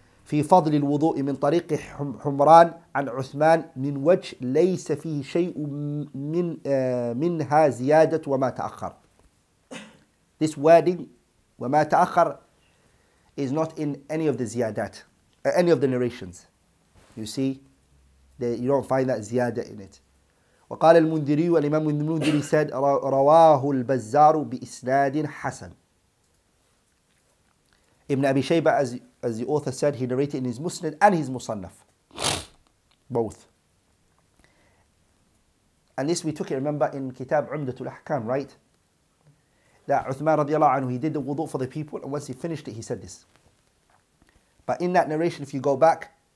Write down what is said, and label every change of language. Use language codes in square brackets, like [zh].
[ar] فِي فَضْلِ الْوُضُوءِ مِنْ طَرِيقِ حُمْرَانَ عَنْ عُثْمَانَ مِنْ وَجْهِ لَيْسَ فِيهِ شَيْءٌ مِنْهَا زِيَادَةٌ وَمَا تَأَخَّرَ. [en] This wording, [ar] وَمَا تَأَخَّرَ, [en] is not in any of the ziyadat, any of the narrations. You see, you don't find that ziyada in it. [ar] وقال المنذري والإمام المنذري [en] said, [ar] رواه البزار بإسناد حسن. [en] Ibn Abi Shayba, as the author said, he narrated in his Musnad and his Musannaf, both. And this we took it, remember, in Kitab Umdatul Ahkam, right? That Uthman radiallahu anhu, he did the wudu for the people, and once he finished it, he said this. But in that narration, if you go back,